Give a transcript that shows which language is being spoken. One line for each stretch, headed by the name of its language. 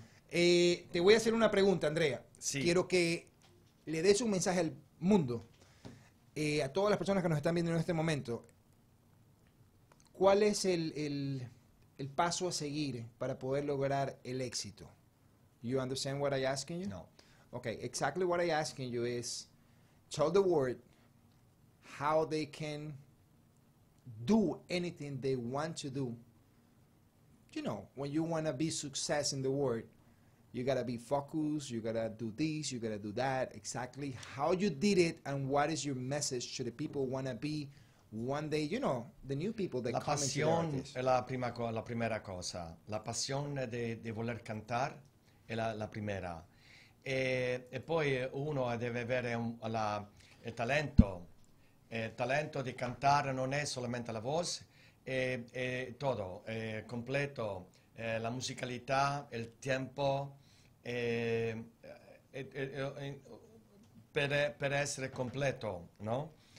Spanish: Te voy a hacer una pregunta, Andrea. Sí. Quiero que le des un mensaje al mundo. A todas las personas que nos están viendo en este momento, ¿cuál es el paso a seguir para poder lograr el éxito?
English: You understand what I'm asking you? No. Okay, exactly what I'm asking you is, tell the world how they can do anything they want to do. You know, when you want to be success in the world, you gotta be focused, you gotta do this, you gotta do that, exactly how you did it and what is your message to the people wanna be one day, you know, the new people that la come into the artist.
Spanish: La primera cosa. La pasión de voler cantar es la primera.
Italian: E poi uno deve avere il talento. Il talento di cantare non è solamente la voce, è tutto, è completo. La musicalità, il tempo, per essere completo, no?